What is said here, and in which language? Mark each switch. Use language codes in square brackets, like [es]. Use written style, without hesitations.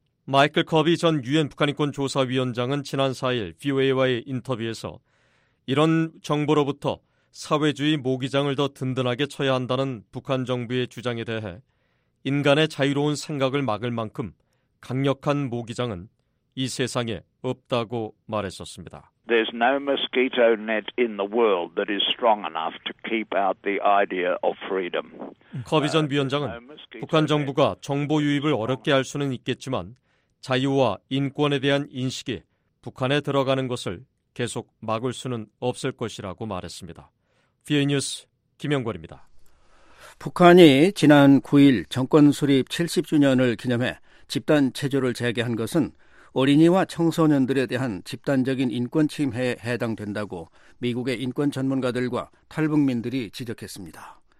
[ko] 마이클 커비 전 유엔 북한인권조사위원장은 지난 4일 VOA와의 인터뷰에서 이런 정보로부터 사회주의 모기장을 더 든든하게 쳐야 한다는 북한 정부의 주장에 대해 인간의 자유로운 생각을 막을 만큼 강력한 모기장은 이 세상에 없다고 말했었습니다. [en] There's no mosquito net in the world that is strong enough to keep out the idea of freedom. [ko] 커비 전 위원장은 북한 정부가 정보 유입을 어렵게 할 수는 있겠지만 자유와 인권에 대한 인식이 북한에 들어가는 것을 계속 막을 수는 없을 것이라고 말했습니다. VOA 뉴스 김영걸입니다. 북한이 지난 9일 정권 수립 70주년을 기념해 집단 체조를 재개한 것은 어린이와 청소년들에 대한 집단적인 인권 침해에 해당된다고 미국의 인권 전문가들과 탈북민들이 지적했습니다.